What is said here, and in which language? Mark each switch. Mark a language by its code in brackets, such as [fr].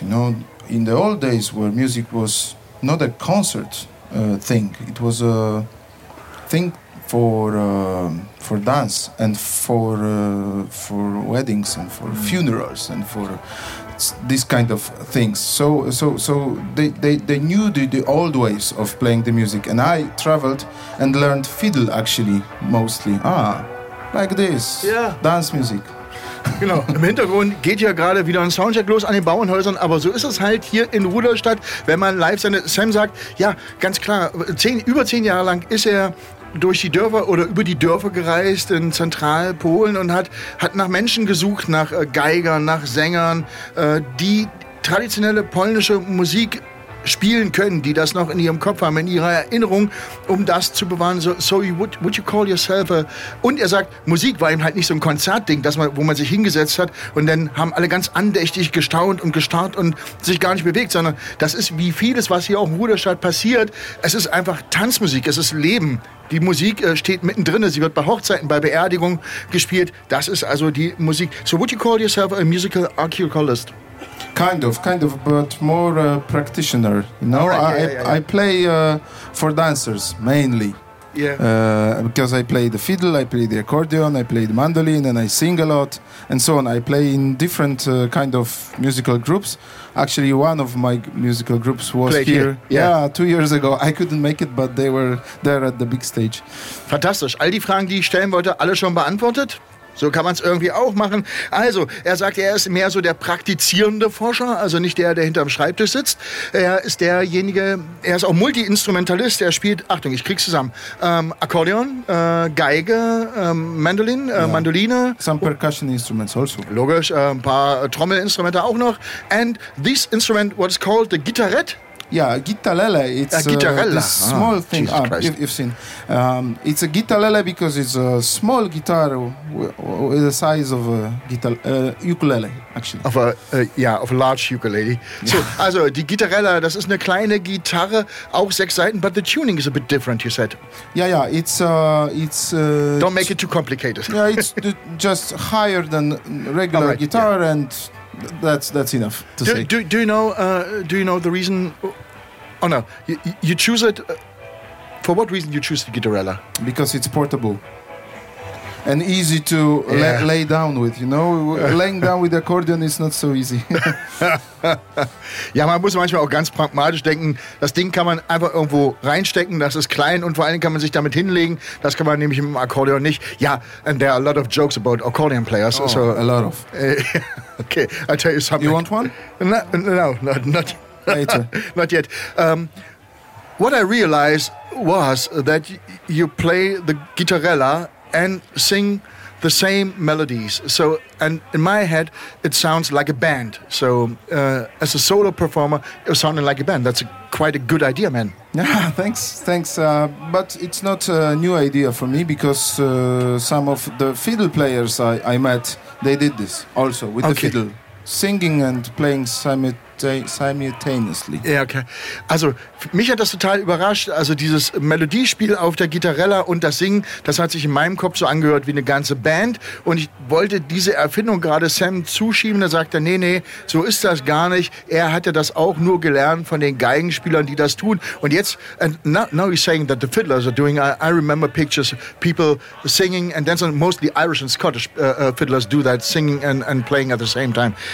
[en] You know, in the old days where music was not a concert thing, it was a thing for dance and for weddings and for funerals and for this kind of things. So they knew the old ways of playing the music, and I traveled and learned fiddle actually mostly. Ah, like this. Yeah. Dance music. [de] Genau, im Hintergrund geht ja gerade wieder ein Soundcheck los an den Bauernhäusern, aber so ist es halt hier in Rudolstadt, wenn man live seine, Sam sagt, ja, ganz klar, über zehn Jahre lang ist er durch die Dörfer oder über die Dörfer gereist in Zentralpolen und hat nach Menschen gesucht, nach Geigern, nach Sängern, die traditionelle polnische Musik spielen können, die das noch in ihrem Kopf haben, in ihrer Erinnerung, um das zu bewahren. [en] So would you call yourself a... [de] Und er sagt, Musik war eben halt nicht so ein Konzertding, wo man sich hingesetzt hat und dann haben alle ganz andächtig gestaunt und gestarrt und sich gar nicht bewegt, sondern das ist wie vieles, was hier auch in Rudolstadt passiert. Es ist einfach Tanzmusik, es ist Leben. Die Musik steht mittendrin, sie wird bei Hochzeiten, bei Beerdigungen gespielt. Das ist also die Musik. [en] So would you call yourself a musical archaeologist? Kind of, but more practitioner. You know, I play for dancers mainly. Yeah. Because I play the fiddle, I play the accordion, I play the mandolin, and I sing a lot, and so on. I play in different kind of musical groups. Actually, one of my musical groups was played here. Yeah. Yeah, 2 years ago. I couldn't make it, but they were there at the big stage. [de] Fantastisch. All die Fragen, die ich stellen wollte, alle schon beantwortet? So kann man es irgendwie auch machen. Also, er sagt, er ist mehr so der praktizierende Forscher, also nicht der, der hinterm Schreibtisch sitzt. Er ist derjenige, er ist auch Multi-Instrumentalist. Er spielt, Achtung, ich krieg's zusammen, Akkordeon, Geige, Mandolin, yeah. Mandoline. [en] Some percussion instruments also. [de] Logisch, ein paar Trommelinstrumente auch noch. [en] And this instrument, what is called the guitarette? Yeah, guitarlele. It's a small thing. Jesus Christ. You've seen. It's a guitarlele because it's a small guitar with the size of a guitar, ukulele, actually. Of a of a large ukulele. Yeah. So, [de] also die Gitarrella, das ist eine kleine Gitarre, auch sechs Saiten, [en] but the tuning is a bit different. You said. Yeah. It's. Don't make it too complicated. Yeah, it's just higher than regular guitar and. That's enough to say. Do you know the reason? Oh no, you choose it. For what reason you choose the guitarella? Because it's portable and easy to lay down with. You know, laying down with the accordion is not so easy. [de] Ja, man muss manchmal auch ganz pragmatisch denken. Das Ding kann man einfach irgendwo reinstecken. Das ist klein und vor allem kann man sich damit hinlegen. Das kann man nämlich im Akkordeon nicht. [en] Ja, and there are a lot of jokes about accordion players. Oh, so, a lot of. Okay, I'll tell you something. You want one? No, not later. Not yet. What I realized was that you play the guitarella and sing the same melodies. So, and in my head, it sounds like a band. So, as a solo performer, it was sounding like a band. That's quite a good idea, man. Yeah, thanks. But it's not a new idea for me because some of the fiddle players I met, they did this also with the fiddle. Singing and playing simultaneously. [de] Ja, okay. Also, mich hat das total überrascht. Also, dieses Melodiespiel auf der Gitarrella und das Singen, das hat sich in meinem Kopf so angehört wie eine ganze Band. Und ich wollte diese Erfindung gerade Sam zuschieben. Da sagt er, nee, so ist das gar nicht. Er hatte das auch nur gelernt von den Geigenspielern, die das tun. Und jetzt, [en] now he's saying that the fiddlers are doing, I remember pictures, people singing and dancing. Mostly Irish and Scottish fiddlers do that, singing and playing at the same time.